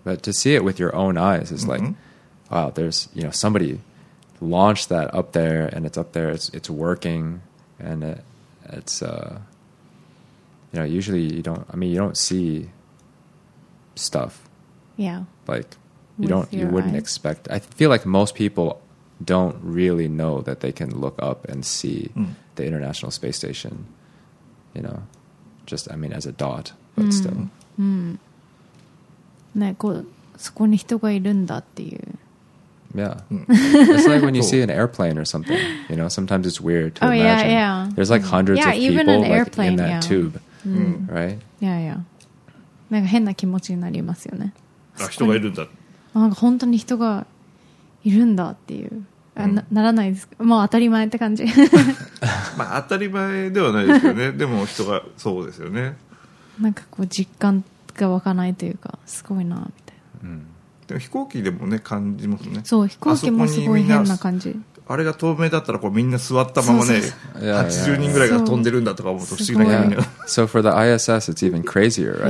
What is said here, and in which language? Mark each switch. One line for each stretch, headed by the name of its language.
English: But to see it with your own eyes is like, wow, there's, you know, somebody launched that up there and it's up there, it's working and it's, you know, usually you don't, I mean, you don't see stuff. Yeah. Like,You wouldn't、eyes. expect. I feel like most people don't really know that they can look up and see、 mm. the International Space Station, you know, just, I mean, as a dot, but、 mm. still.
Japanese: ね、こう、そこに人がいるんだっていう。 Yeah.、Mm.
English: It's like when you see an airplane or something, you know, sometimes it's weird to imagine. Yeah, yeah. There's like hundreds、 yeah, of people even an airplane, like, in that、 tube,、 mm. right? Yeah, yeah.
Japanese: なんか変な気持ちになりますよね。あ、人がいるんだ。なんか本当に人がいるんだっていう、うん、ならないですか。もう当たり前って感じ。まあ当たり前ではないですよね。でも人がそうですよね。なんかこう実感が湧かないというか、すごいなみたいな。うん、でも飛行機でもね感じますね。そう、飛行機もすごい変な感じ。あれが透明だったらこうみんな座ったままね、80人ぐらいが飛んでるんだとか思うと不思議な感じ。
English: So for the ISS it's even crazier, right?